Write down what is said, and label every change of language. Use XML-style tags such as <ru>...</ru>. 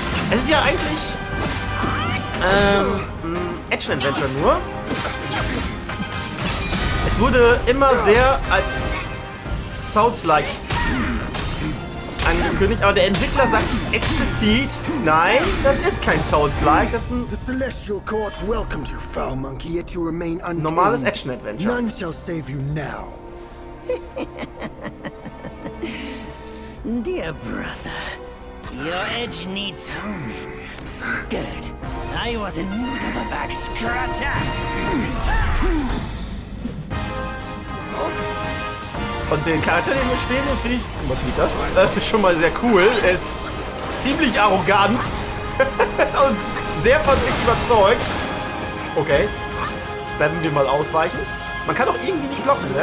<de>Es ist ja eigentlich Action-Adventure nur. Es wurde immer sehr als Souls-like angekündigt, aber der Entwickler sagt explizit, nein, das ist kein Souls-like, das ist ein...</de> <en>The Celestial Court welcomed you, foul monkey, yet you remain undone.</en> <de>Normales Action-Adventure.</de> <en>None shall save you now. Dear brother, your edge needs homing. Good. I was in need of a back scratcher.</en> <de>Und den Charakter, den wir spielen, finde ich, was wie das, schon mal sehr cool. Er ist ziemlich arrogant und sehr von sich überzeugt. Okay, spammen wir mal ausweichen. Man kann auch irgendwie nicht blocken, ne?</de>